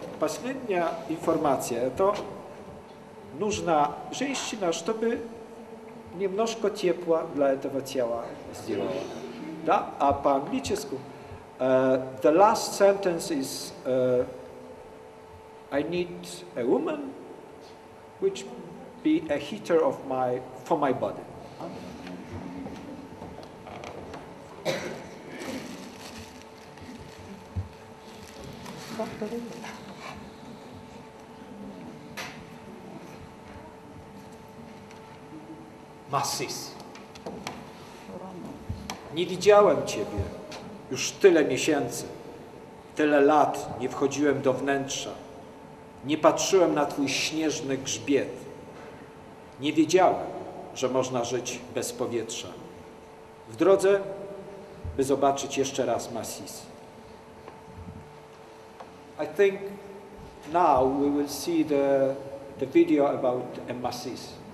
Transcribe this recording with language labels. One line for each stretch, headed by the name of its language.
Russian: Последняя
Polish: informacja
Russian: to нужна женщина, чтобы немножко тепла для этого тела сделала. Да? А по-английски
English: the last sentence is I need a woman which be a heater of my for my body.
Polish: Masis. Nie widziałem ciebie już tyle miesięcy, tyle lat nie wchodziłem do wnętrza, nie patrzyłem na twój śnieżny grzbiet. Nie wiedziałem, że można żyć bez powietrza. W drodze, by zobaczyć jeszcze raz Masis.
English: I think now we will see the video about Masis.